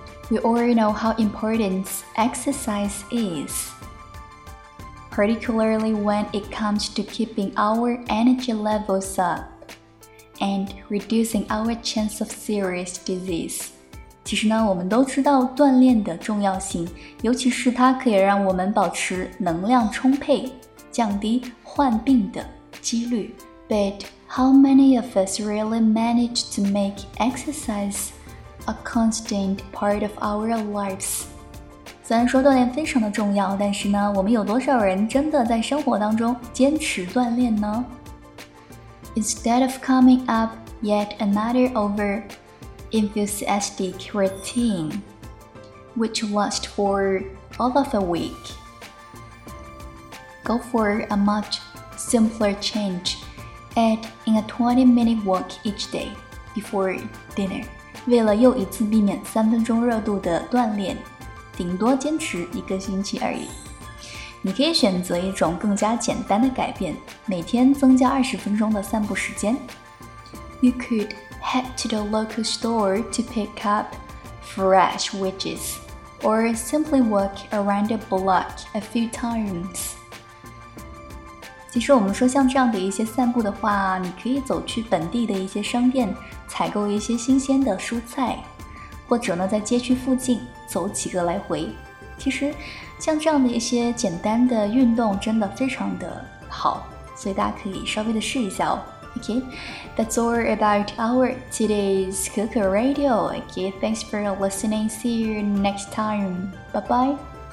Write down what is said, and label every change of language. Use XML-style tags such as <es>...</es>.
<en>We already know how important exercise is, particularly when it comes to keeping our energy levels up and reducing our chance of serious disease.</en> <zh>其实呢，我们都知道锻炼的重要性，尤其是它可以让我们保持能量充沛，降低患病的几率。</zh> <en>But how many of us really manage to make exercise a constant part of our lives?</en> <zh>虽然说锻炼非常的重要，但是呢，我们有多少人真的在生活当中坚持锻炼呢？</zh> <en>Instead of coming up yet another over-enthusiastic routine, which lasts for all of a week, go for a much simpler change. Add in a 20-minute walk each day before dinner.</en> <zh>为了又一次避免三分钟热度的锻炼，顶多坚持一个星期而已。你可以选择一种更加简单的改变，每天增加二十分钟的散步时间。</zh> <en>You could head to the local store to pick up fresh veggies, or simply walk around the block a few times.</en> <zh>其实我们说像这样的一些散步的话，你可以走去本地的一些商店，采购一些新鲜的蔬菜，或者呢在街区附近走几个来回。其实像这样的一些简单的运动真的非常的好，所以大家可以稍微的试一下哦。</zh> <en>Okay, that's all about our today's Coco Radio. Okay, thanks for listening. See you next time. Bye bye.</en>